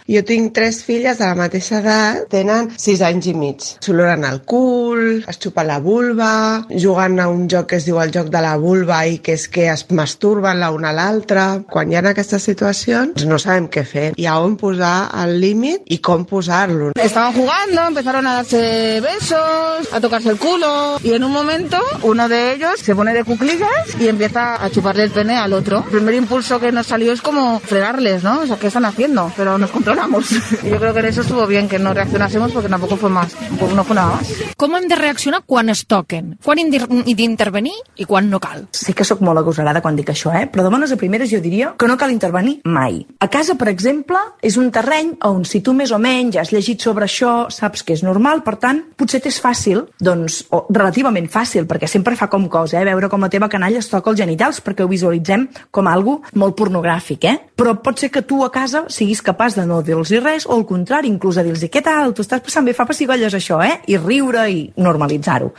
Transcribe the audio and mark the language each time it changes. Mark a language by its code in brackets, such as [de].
[ca] Jo tinc tres filles de la mateixa edat, tenen 6 anys i mig. S'oloren el cul, es xupen la vulva, jugant a un joc que es diu el joc de la vulva i que és que es masturben l'una a l'altra. Quan hi ha aquestes situacions, no sabem què fer. I a on posar el límit i com posar-lo. [es] Estaban jugando, empezaron a darse besos, a tocarse el culo, y en un momento uno de ellos se pone de cuclillas y empieza a chuparle el pene al otro. El primer impulso que nos salió es como fregarles, ¿no? O sea, ¿qué están haciendo? Pero nos controlamos. Y yo creo que en eso estuvo bien que no reaccionásemos porque tampoco fue más, no fue nada más. [ca] ¿Com hem de reaccionar quan es toquen? Quan d'intervenir i quan no cal? Sí que sóc molt agosarada quan dic això, però de bones a primeres jo diria que no cal intervenir mai. A casa, per exemple, és un terreny on si tu més o menys has llegit sobre això, saps que és normal, per tant, potser t'és fàcil, doncs, o relativament fàcil, perquè sempre fa com cosa, veure com la teva canalla es toca els genitals, perquè ho visualitzem com algo molt pornogràfic, Però pot ser que tu a casa siguis capaç de no dir-los res, o al contrari, inclús a dir-los què tal, tu estàs passant bé, fa pessigolles això, I riure i normalitzar-ho.